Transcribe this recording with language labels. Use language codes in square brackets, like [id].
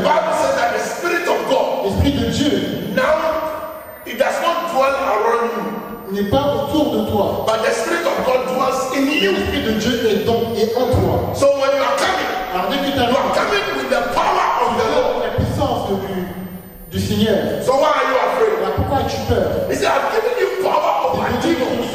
[en] lumière. The Bible says that the Spirit of God. [fr] L'esprit de Dieu. Dieu. [en] Now, it does not dwell around you. [fr] N'est pas autour de toi. [en] But the Spirit of God dwells in you. [fr] L'Esprit de Dieu est donc et en toi. [en] So when you are coming, you are coming with the power of the Lord. [fr] La puissance du Seigneur. [en] So why are you afraid? [fr] Mais pourquoi as-tu peur? [en] He said, I've given you power over the demons.